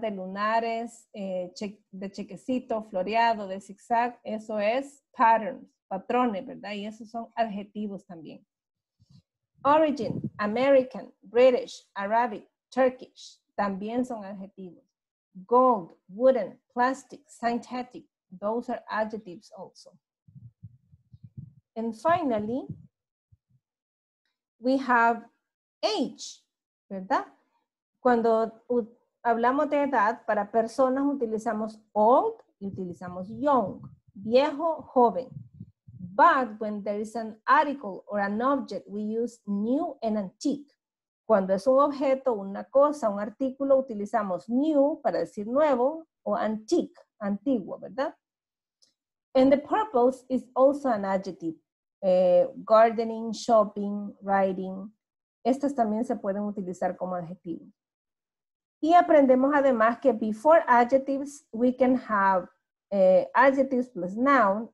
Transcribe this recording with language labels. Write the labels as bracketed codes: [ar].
[es] De lunares, de chequecito, floreado, de zigzag, eso es patterns, patrones, ¿verdad? Y esos son adjetivos también. [en] Origin, American, British, Arabic, Turkish, [es] también son adjetivos. [en] Gold, wooden, plastic, synthetic, those are adjectives also. And finally, we have age, [es] ¿verdad? Cuando hablamos de edad, para personas utilizamos old y utilizamos young, viejo, joven. [en] But when there is an article or an object, we use new and antique. [es] Cuando es un objeto, una cosa, un artículo, utilizamos new para decir nuevo o antique, antiguo, ¿verdad? [en] And the purpose is also an adjective. Gardening, shopping, writing. [es] Estas también se pueden utilizar como adjetivo. Y aprendemos además que [en] before adjectives, we can have adjectives plus noun.